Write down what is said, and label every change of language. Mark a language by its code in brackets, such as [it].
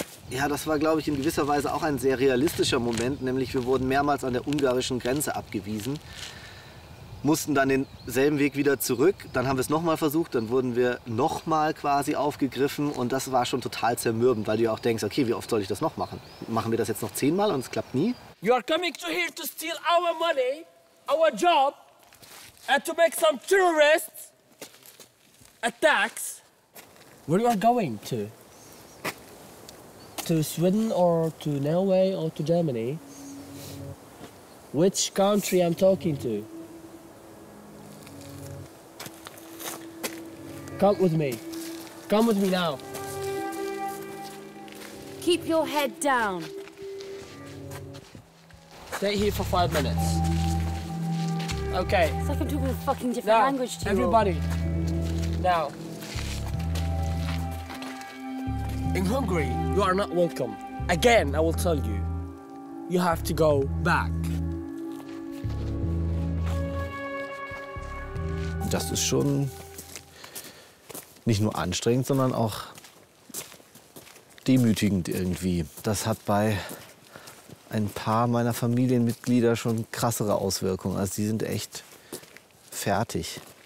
[de] Ja, das war, glaube ich, in gewisser Weise auch ein sehr realistischer Moment. Nämlich, wir wurden mehrmals an der ungarischen Grenze abgewiesen, mussten dann denselben Weg wieder zurück. Dann haben wir es nochmal versucht, dann wurden wir nochmal quasi aufgegriffen. Und das war schon total zermürbend, weil du ja auch denkst, okay, wie oft soll ich das noch machen? Machen wir das jetzt noch 10 Mal und es klappt nie? [en] You are coming to here to steal our money, our job, and to make some terrorist attacks. Where are you going to? To Sweden or to Norway or to Germany? Which country I'm talking to? Come with me. Come with me now. Keep your head down. Stay here for 5 minutes. Okay. It's like I'm talking a fucking different language to you. Everybody. Now. In Hungary, you are not welcome. Again, I will tell you, you have to go back. [de] Das ist schon nicht nur anstrengend, sondern auch demütigend irgendwie. Das hat bei ein paar meiner Familienmitglieder schon krassere Auswirkungen. Also die sind echt fertig.